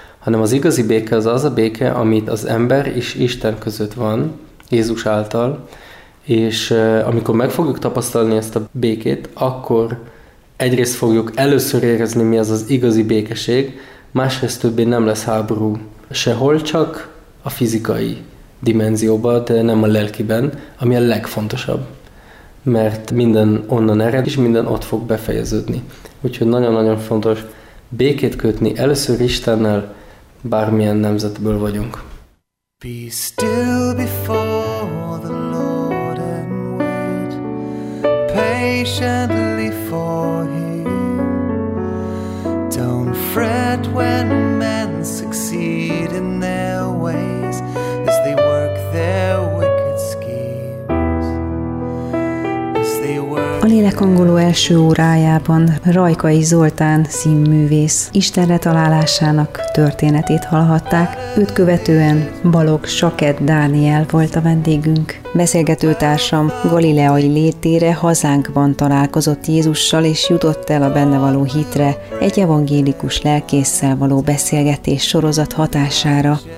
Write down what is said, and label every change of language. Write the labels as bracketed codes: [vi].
[hu] hanem az igazi béke az az a béke, amit az ember és Isten között van, Jézus által, és amikor meg fogjuk tapasztalni ezt a békét, akkor egyrészt fogjuk először érezni, mi az az igazi békeség, másrészt többé nem lesz háború sehol, csak a fizikai dimenzióban, de nem a lelkiben, ami a legfontosabb. Mert minden onnan ered, és minden ott fog befejeződni. Úgyhogy nagyon-nagyon fontos békét kötni először Istennel, bármilyen nemzetből vagyunk. [en] Be still before the Lord and wait patiently for Him. Don't fret when men succeed in their ways as they work their wicked schemes. As they work. [hu] A Lélekhangoló első órájában Rajkai Zoltán színművész Istenre találásának történetét hallhatták. Őt követően Balogh Sakett Dániel volt a vendégünk. Beszélgetőtársam galileai létére, hazánkban találkozott Jézussal, és jutott el a benne való hitre egy evangélikus lelkésszel való beszélgetés sorozat hatására.